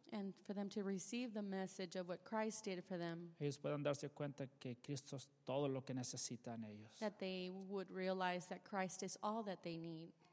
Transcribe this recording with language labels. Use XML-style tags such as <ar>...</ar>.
<en>And for them to receive the message of what Christ did for them.</en> <es>Ellos puedan darse cuenta que Cristo es todo lo que necesitan ellos.</es> <en>That they would realize that Christ is all that they need.</en>